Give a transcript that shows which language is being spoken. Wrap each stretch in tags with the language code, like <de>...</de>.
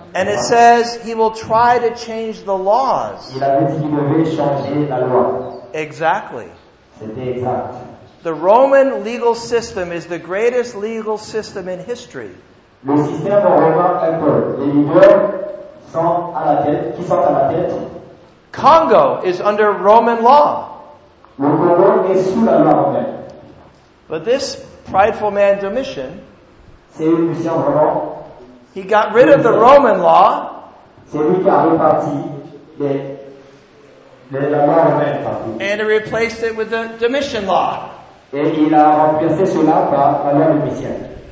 <en>And it says he will try to change the laws.</en> <fr>Il avait dit qu'il devait changer la loi.</fr> <en>Exactly.</en> <fr>C'était exact.</fr> <en>The Roman legal system is the greatest legal system in history.</en> <fr>Le système romain est le meilleur. Qui sont à la tête.</fr> <en>Congo is under Roman law.</en> <fr>Le Congo est sous la loi romaine.</fr> <en>But this prideful man Domitian,</en> <fr>c'est une mission vraiment.</fr> <en>He got rid of the Roman law.</en> <fr>C'est lui qui a reparti la loi romaine.</fr> <en>And he replaced it with the Domitian law.</en> <fr>Et il a remplacé cela par la loi domitienne.</fr>